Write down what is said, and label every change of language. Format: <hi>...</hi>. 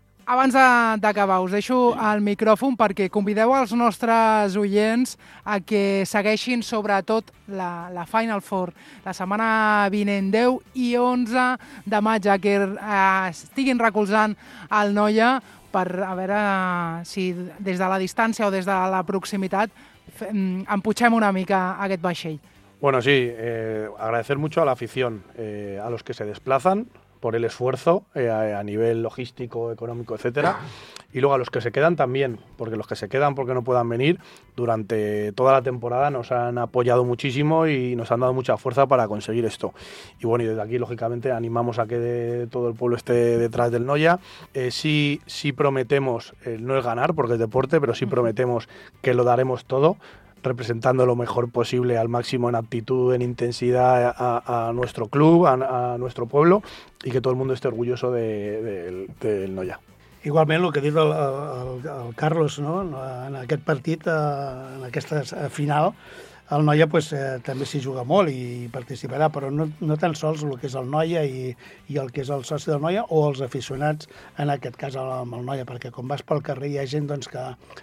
<ca>Abans d'acabar, us deixo el micròfon perquè convideu els nostres oients a que segueixin sobretot la Final Four la setmana vinent, 10 i 11 de maig, que estiguin recolzant el Noia per a veure si des de la distància o des de la proximitat empuixem una mica aquest vaixell.</ca> <es>Bueno, sí, agradecer mucho a la afición, a los que se desplazan, por el esfuerzo a nivel logístico, económico, etcétera, y luego a los que se quedan también, porque los que se quedan porque no puedan venir, durante toda la temporada nos han apoyado muchísimo y nos han dado mucha fuerza para conseguir esto. Y bueno, y desde aquí, lógicamente, animamos a que todo el pueblo esté detrás del Noia. Sí prometemos, no es ganar, porque es deporte, pero sí prometemos que lo daremos todo, representando lo mejor posible al máximo en actitud, en intensidad a nuestro club, a nuestro pueblo y que todo el mundo esté orgulloso del Noia.</es> <ca>Igualment, el que diu el Carlos, no? En aquest partit, en aquesta final, el Noia pues, també s'hi juga molt i participarà, però no tan sols el que és el Noia i el que és el soci del Noia o els aficionats, en aquest cas amb el Noia, perquè quan vas pel carrer hi ha gent doncs, que</ca>